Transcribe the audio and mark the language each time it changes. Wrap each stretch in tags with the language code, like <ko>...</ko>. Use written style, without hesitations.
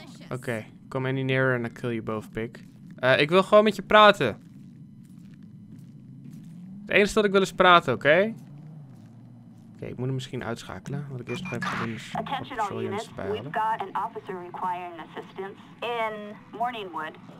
<en>Oké, come any nearer and I'll kill you both, pig.</en> <nl>Ik wil gewoon met je praten. Het enige dat ik wil is praten, oké? Oké, ik moet hem misschien uitschakelen. Wat ik eerst nog even ga doen is...</nl> <en>Attention all units, we've got an officer requiring assistance in Morningwood.</en>